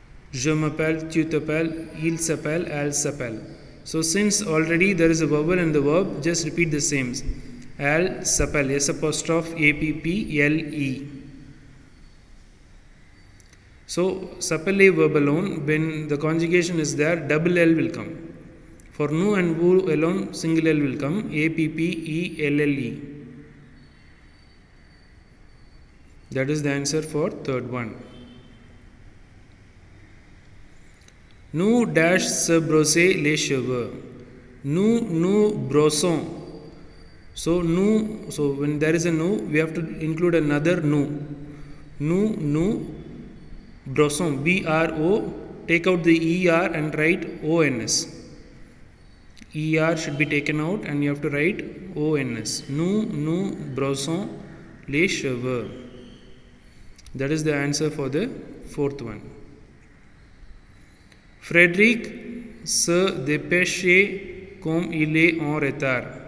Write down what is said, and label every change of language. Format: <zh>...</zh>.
<fr>Je m'appelle, tu t'appelles, il s'appelle, elle s'appelle.</fr> <en>So since already there is a vowel and the verb, just repeat the same.</en> <fr>Elle s'appelle, S-A-P-P-L-E.</fr> <en>So s'appeler verb alone, when the conjugation is there, double L will come. For nous and vous alone, single L will come, A-P-P-E-L-L-E. That is the answer for third one.</en> <fr>Nous dash se brosser les cheveux. Nous brossons.</fr> <en>So nous, so when there is a nous, we have to include another nous.</en> <fr>Nous brossons,</fr> <en>B-R-O, take out the E-R and write O-N-S. E-R should be taken out and you have to write O-N-S.</en> <fr>Nous brossons les cheveux.</fr> <en>That is the answer for the fourth one.</en> <fr>Frédéric se dépêche comme il est en retard.</fr>